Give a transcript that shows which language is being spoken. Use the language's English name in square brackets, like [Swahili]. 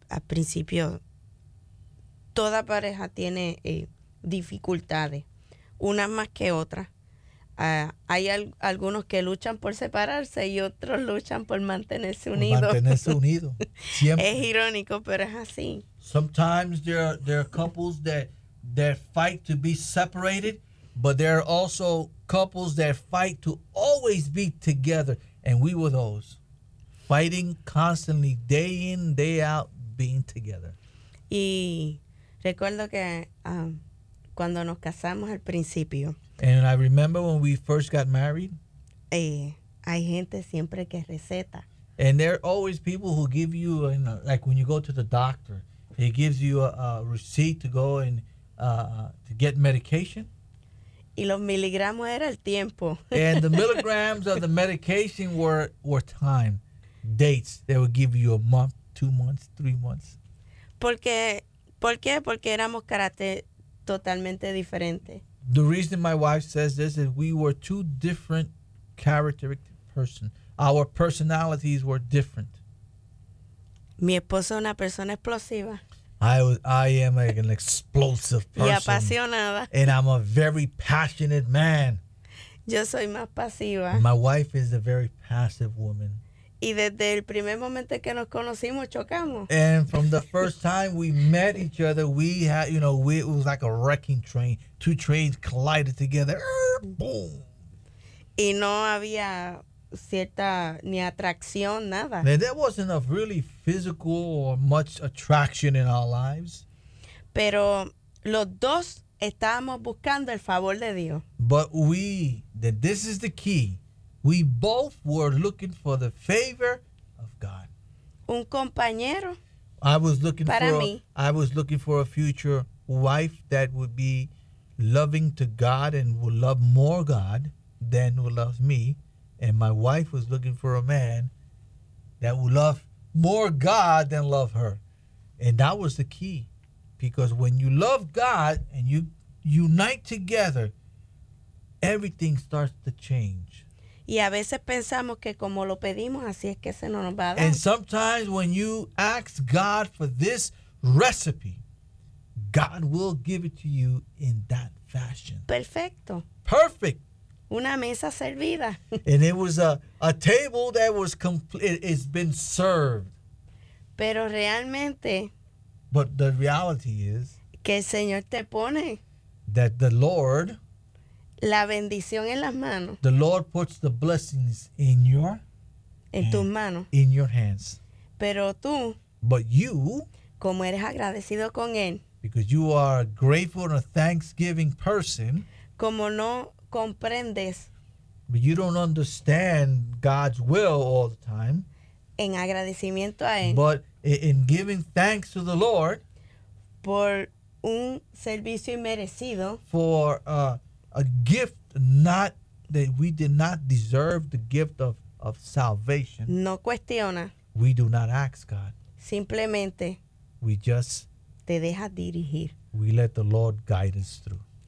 [Spanish] Al principio, toda pareja tiene dificultades, unas más que otras. Hay algunos que luchan por separarse y otros luchan por mantenerse unidos. Mantenerse unidos. Siempre. Es irónico, pero es así. [English] Sometimes there are couples that fight to be separated, but there are also couples that fight to always be together. And we were those, fighting constantly, day in, day out, being together. [Spanish] Y recuerdo que cuando nos casamos al principio. [English] And I remember when we first got married. [Spanish] Hay gente siempre que receta. [English] And there are always people who give you, like when you go to the doctor, he gives you a receipt to go and to get medication. [Spanish] Y los miligramos era el tiempo. [English] And the milligrams of the medication were time, dates. They would give you a month, 2 months, 3 months. [Spanish] ¿Por qué? Porque éramos carácter totalmente diferente. [English] The reason my wife says this is we were two different characteristic person. Our personalities were different. [Spanish] Mi esposo es una persona explosiva. [English] I am an explosive person. [Spanish] Y apasionada. [English] And I'm a very passionate man. [Spanish] Yo soy más pasiva. [English] My wife is a very passive woman. [Spanish] Y desde el primer momento que nos conocimos chocamos. [English] And from the first time we met each other, we had, you know, it was like a wrecking train. Two trains collided together. Boom. [Spanish] Y no había cierta ni atracción, nada. [English] And there wasn't a really physical or much attraction in our lives. [Spanish] Pero los dos estábamos buscando el favor de Dios. [English] But we, that this is the key. We both were looking for the favor of God. [Spanish] Un compañero. [English] I was looking [Spanish] para [English] for [Spanish] mí. [English] I was looking for a future wife that would be loving to God and would love more God than would love me. And my wife was looking for a man that would love more God than love her. And that was the key. Because when you love God and you unite together, everything starts to change. [Spanish] Y a veces pensamos que como lo pedimos, así es que se nos va a dar. [English] And sometimes when you ask God for this recipe, God will give it to you in that fashion. [Spanish] Perfecto. [English] Perfect. [Spanish] Una mesa servida. [English] And it was a table that was complete. It's been served. [Spanish] Pero realmente. [English] But the reality is. [Spanish] Que el Señor te pone. [English] That the Lord. [Spanish] La bendición en las manos. [English] The Lord puts the blessings in your [Spanish] en tus manos. [English] In your hands. [Spanish] Pero tú, [English] but you, [Spanish] como eres agradecido con él, [English] because you are a grateful and a thanksgiving person, [Spanish] como no comprendes, [English] but you don't understand God's will all the time, [Spanish] en agradecimiento a él, [English] but in giving thanks to the Lord [Spanish] por un servicio inmerecido, [English] for a gift not that we did not deserve, the gift of salvation. [Spanish] No cuestiona. [English] We do not ask God. [Spanish] Simplemente. [English] We just. [Spanish] Te deja dirigir. [English] We let the Lord guide us through.